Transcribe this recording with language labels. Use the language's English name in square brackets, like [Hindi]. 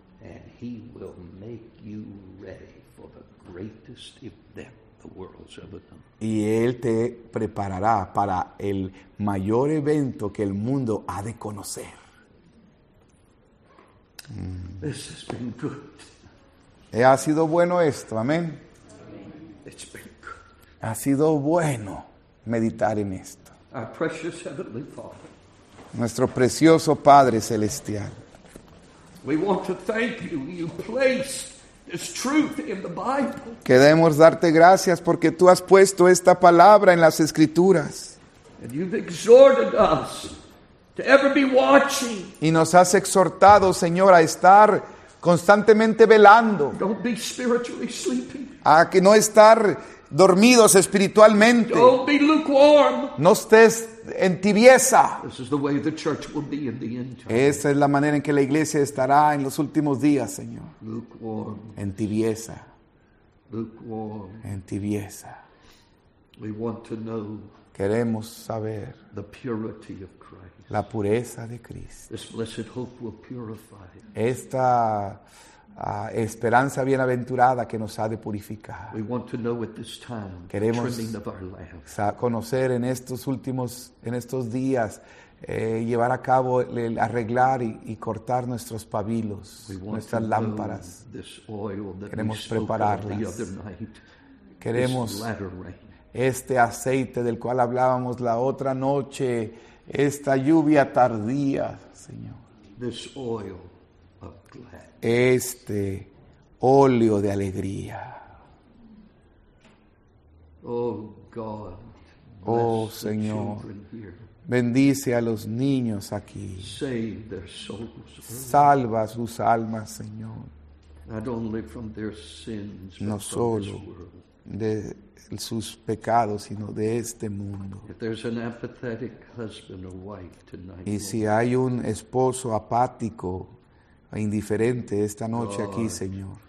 [English] And he will make you ready for the greatest event the world's ever known. [Spanish] Y Él te preparará para el mayor evento que el mundo ha de conocer. [English] This has been good. [Spanish] Ha sido bueno esto, amén. [English] It's been good. [Spanish] Ha sido bueno meditar en esto. [English] Our precious Heavenly Father. [Spanish] Nuestro precioso Padre Celestial. [English] We want to thank you. You placed this truth in the Bible. [Spanish] Queremos darte gracias porque tú has puesto esta palabra en las Escrituras. [English] And you've exhorted us to ever be watching. [Spanish] Y nos has exhortado, Señor, a estar constantemente velando. [English] Don't be spiritually sleeping. [Spanish] A que no estar dormidos espiritualmente. [English] Don't be lukewarm. [Spanish] No estés en tibieza. [English] This is the way the church will be in the end time. [Spanish] Esa es la manera en que la iglesia estará en los últimos días, Señor. [English] Lukewarm. [Spanish] En tibieza. [English] Lukewarm. [Spanish] En tibieza. [English] We want to know. [Spanish] Queremos saber. [English] The purity of Christ. [Spanish] La pureza de Cristo. [English] This blessed hope will purify. [Spanish] Esta esperanza bienaventurada que nos ha de purificar. [English] We want to know at this time, [Spanish] queremos [English] the trimming of our lamps. [Spanish] Conocer en estos últimos, en estos días, llevar a cabo el arreglar y cortar nuestros pabilos, nuestras lámparas. Queremos prepararlas. Queremos este aceite del cual hablábamos la otra noche, esta lluvia tardía, Señor. [English] This oil. [Spanish] Este óleo de alegría. [English] Oh, God, [Spanish] oh Señor, bendice a los niños aquí. [English] Save their souls, [Spanish] salva sus almas, Señor. [English] Not only from their sins, [Spanish] no [English] but [Spanish] solo [English] from this world. [Spanish] De sus pecados, sino de este mundo. [English] If there's an apathetic husband or wife tonight, [Spanish] y si hay un esposo apático, indiferente esta noche aquí, Señor.